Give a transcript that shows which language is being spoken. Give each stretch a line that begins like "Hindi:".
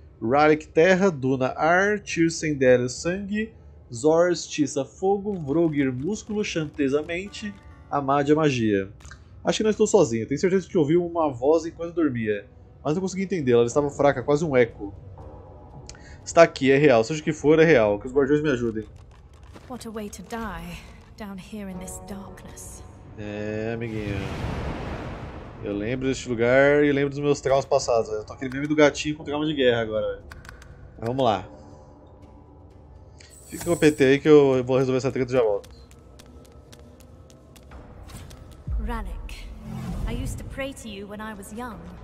Portuguese: Rarik, terra. Duna, ar. Tyr, Sendel, sangue. Zors, tiça, fogo. Vrogir, músculo. Chantesa, mente. Amadia, magia. Acho que não estou sozinho. Tenho certeza que ouvi uma voz enquanto dormia. Mas não consegui entendê-la. Ela estava fraca, quase um eco. Está aqui, é real. Seja o que for, é real. Que os guardiões me ajudem.
English: What a way to die, down here in this darkness.
Portuguese: É, amiguinho. Eu lembro deste lugar e lembro dos meus traumas passados. Eu tô aquele meme do gatinho com trauma de guerra agora. Mas vamos lá. Fica com o PT aí que eu vou resolver essa treta e já volto.
English: Rarik, I used to pray to you when I was young.